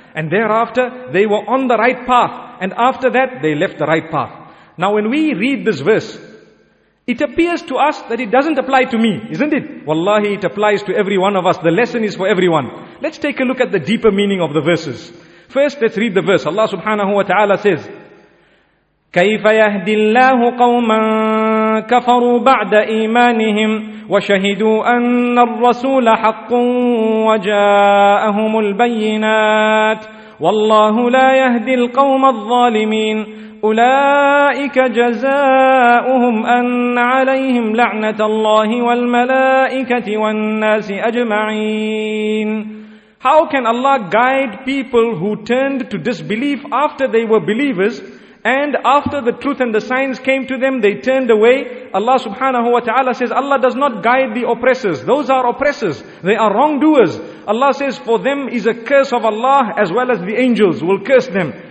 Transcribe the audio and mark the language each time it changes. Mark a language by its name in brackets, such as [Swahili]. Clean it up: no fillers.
[English] And thereafter, they were on the right path. And after that, they left the right path. Now when we read this verse, it appears to us that it doesn't apply to me, isn't it? Wallahi, it applies to every one of us. The lesson is for everyone. Let's take a look at the deeper meaning of the verses. First, let's read the verse. Allah subhanahu wa ta'ala says, [Arabic] كيف يهدي الله قوما كفروا بعد إيمانهم وشهدوا أن الرسول حق وجاءهم البينات والله لا يهدي القوم الظالمين أولئك جزاؤهم أن عليهم لعنة الله والملائكة والناس أجمعين. [English] How can Allah guide people who turned to disbelief after they were believers, and after the truth and the signs came to them, they turned away? Allah subhanahu wa ta'ala says, Allah does not guide the oppressors. Those are oppressors. They are wrongdoers. Allah says, for them is a curse of Allah, as well as the angels will curse them.